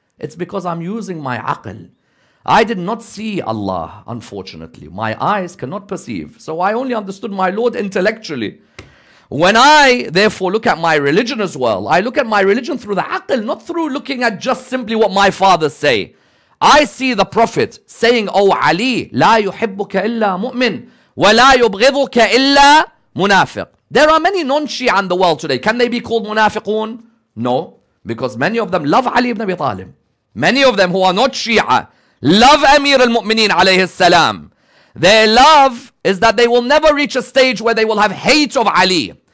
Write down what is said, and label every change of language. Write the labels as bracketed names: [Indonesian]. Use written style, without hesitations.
[English] It's because I'm using my aql. I did not see Allah, unfortunately. My eyes cannot perceive. So I only understood my Lord intellectually. When I, therefore, look at my religion as well, I look at my religion through the aql, not through looking at just simply what my fathers say. I see the Prophet saying, O Ali, [Arabic] لا يحبك إلا مؤمن ولا يبغضك إلا منافق. [English] There are many non-Shia in the world today. Can they be called munafiqun? No, because many of them love Ali ibn Abi Talib. Many of them who are not Shia love Amir al-Mu'mineen alayhi salam. Their love is that they will never reach a stage where they will have hate of Ali.